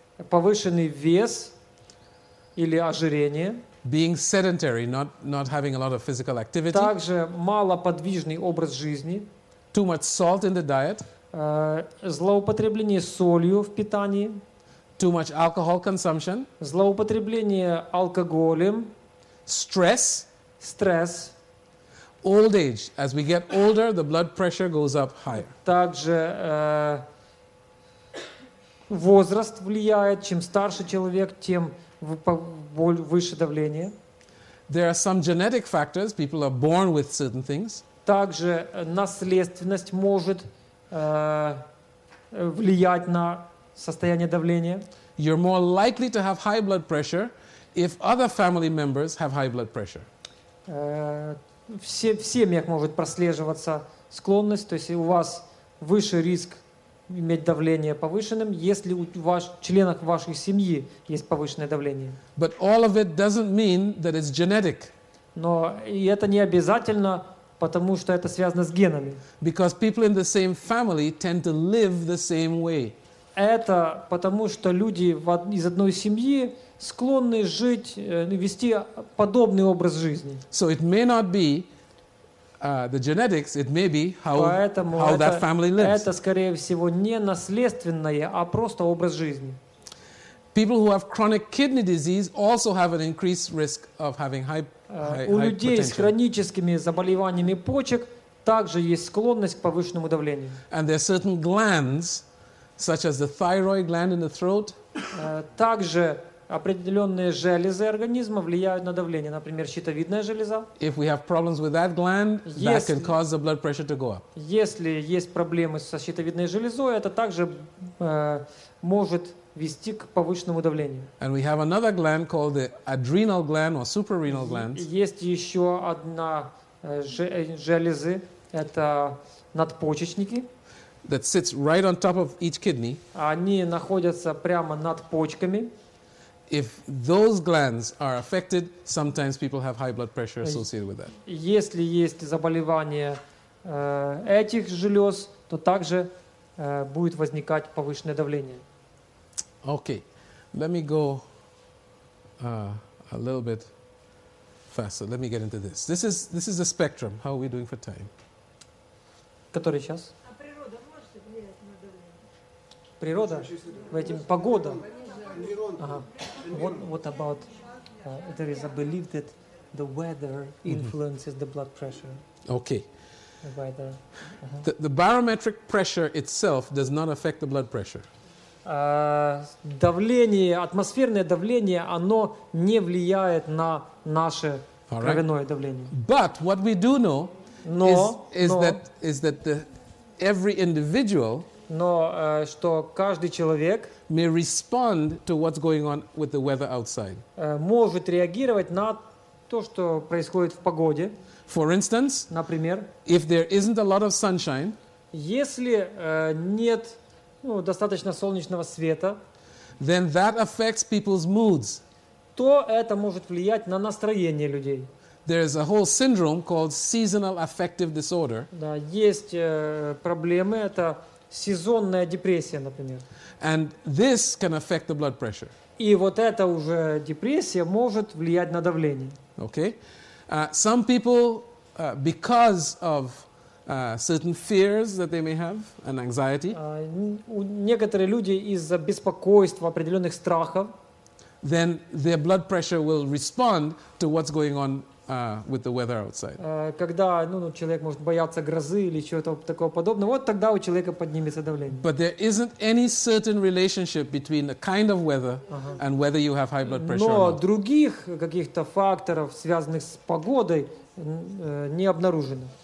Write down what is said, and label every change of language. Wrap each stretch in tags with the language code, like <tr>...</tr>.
<ru>повышенный вес или ожирение,</ru> <en>being sedentary, not having a lot of physical activity,</en> <ru>также малоподвижный образ жизни,</ru> <en>too much salt in the diet,</en> <ru>Злоупотребление солью в питании.</ru> <en>Too much alcohol consumption.</en> <ru>Злоупотребление алкоголем.</ru> <en>Stress.</en> <ru>Стресс.</ru> <en>Old age. As we get older, the blood pressure goes up higher.</en> <ru>Также возраст влияет. Чем старше человек, тем выше давление.</ru> <en>There are some genetic factors. People are born with certain things.</en> <ru>Также наследственность может влиять на состояние давления.</ru> <en>You're more likely to have high blood pressure if other family members have high blood pressure.</en> <ru>В семьях может прослеживаться склонность, то есть у вас выше риск иметь давление повышенным, если у членов вашей семьи есть повышенное давление.</ru> <en>But all of it doesn't mean that it's genetic.</en> <ru>Но это не обязательно, потому что это связано с генами.</ru> <en>Because people in the same family tend to live the same way.</en> <ru>Это потому, что люди из одной семьи склонны жить, вести подобный образ жизни.</ru> <en>So it may not be the genetics, it may be how that family lives.</en> <ru>Это, скорее всего, не наследственное, а просто образ жизни.</ru> <en>People who have chronic kidney disease also have an increased risk of having high</en> <ru>У людей</ru> <en>potential.</en> <ru>С хроническими заболеваниями почек также есть склонность к повышенному давлению.</ru> <en>And there are certain glands, such as the thyroid gland in the throat.</en> <ru>Также определенные железы организма влияют на давление, например, щитовидная железа.</ru> <en>If we have problems with that gland, that can cause the blood pressure to go up.</en> <ru>Если есть проблемы со щитовидной железой, это также может вести к повышенному давлению.</ru> <en>And we have another gland called the adrenal gland or suprarenal gland.</en> <ru>Есть еще одна железы, это надпочечники.</ru> <en>That sits right on top of each kidney.</en> <ru>Они находятся прямо над почками.</ru> <en>If those glands are affected, sometimes people have high blood pressure associated with that.</en> <ru>Если есть заболевание этих желез, то также будет возникать повышенное давление.</ru> <en>Okay, let me go a little bit faster. Let me get into this. This is the spectrum. How are we doing for time?</en> <ru>Который час? Природа, в этом погода.</ru> <en>What about there is a belief that the weather influences the blood pressure? Okay. The weather. The barometric pressure itself does not affect the blood pressure.</en> <ru>Давление, атмосферное давление, оно не влияет на наше кровяное давление.</ru> <en>But what we do know is that every individual.</en> <ru>Но что каждый человек</ru> <en>may respond to what's going on with the weather outside.</en> <ru>Может реагировать на то, что происходит в погоде.</ru> <en>For instance,</en> <ru>например,</ru> <en>if there isn't a lot of sunshine,</en> <ru>если нет достаточно солнечного света,</ru> <en>then that affects people's moods.</en> <ru>То это может влиять на настроение людей.</ru> <en>There is a whole syndrome called seasonal affective disorder.</en> <ru>Да, есть проблемы, это сезонная депрессия, например.</ru> <en>And this can affect the blood pressure.</en> <ru>И вот эта уже депрессия может влиять на давление.</ru> <en>Okay. Some people, because of certain fears that they may have, and anxiety.</en> <ru>Некоторые люди из-за беспокойства, определенных страхов.</ru> <en>Then their blood pressure will respond to what's going on with the weather outside.</en> <ru>Когда человек может бояться грозы или чего-то такого подобного, вот тогда у человека поднимется давление.</ru> <en>But there isn't any certain relationship between the kind of weather and whether you have high blood pressure.</en> <ru>Но других каких-то факторов, связанных с погодой, не обнаружено.</ru>